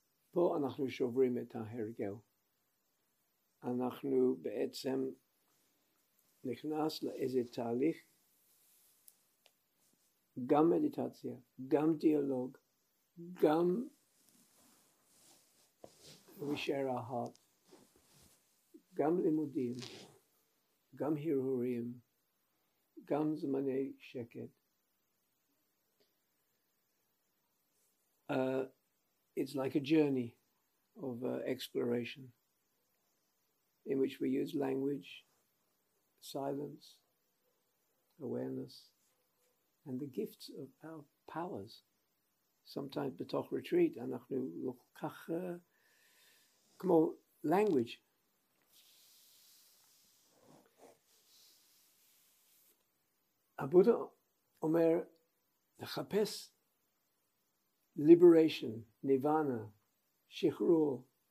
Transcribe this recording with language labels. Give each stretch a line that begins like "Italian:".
Hebrew: פה אנחנו שוברים את ההרגל. אנחנו בעצם נכנס לאיזה תהליך, גם מדיטציה, גם דיאלוג, גם רישר אחת, גם לימודים, גם הרהורים, גם זמני שקט.
English: It's like a journey of exploration in which we use language, silence, awareness, and the gifts of our powers.
Hebrew: Sometimes בתוך retreat אנחנו לוקח כמו language. הבודה אומר לחפש liberation, nirvana, שחרור.